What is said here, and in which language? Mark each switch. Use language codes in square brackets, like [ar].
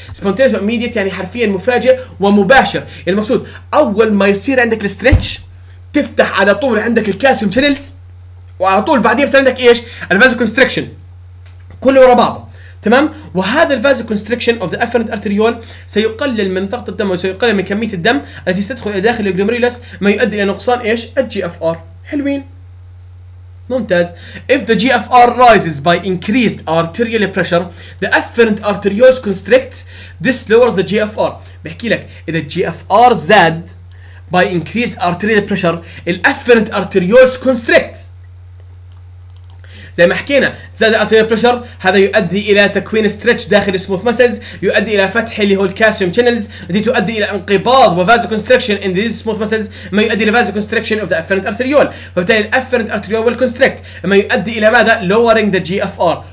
[ar] سبونتينيوس واميديت يعني حرفيا مفاجئ ومباشر. المقصود اول ما يصير عندك الستريتش تفتح على طول عندك الكالسيوم تشنلز وعلى طول بعديها بصير عندك ايش؟ الفازو كونستريكشن كله ورا بعضه تمام. وهذا [en] الفازو كونستريكشن of the afferent arteriole [ar] سيقلل من ضغط الدم وسيقلل من كميه الدم التي ستدخل الى داخل الجلوميرولس ما يؤدي الى نقصان ايش الجي اف ار. حلوين ممتاز. [en] if the GFR rises by increased arterial pressure the afferent arterioles constrict this lowers the GFR. [ar] بحكي لك اذا الجي اف ار زاد [en] by increased arterial pressure [ar] الافرنت arterioles constrict زي ما حكينا زاد arterial pressure هذا يؤدي الى تكوين stretch داخل smooth muscles يؤدي الى فتح اللي هو calcium channels دي تؤدي الى انقباض و [en] vasoconstriction in these smooth muscles [ar] ما يؤدي الى [en] vasoconstriction of the afferent arteriole. [ar] فبالتالي ال [en] afferent arteriole will constrict [ar] ما يؤدي الى ماذا؟ [en] lowering the GFR.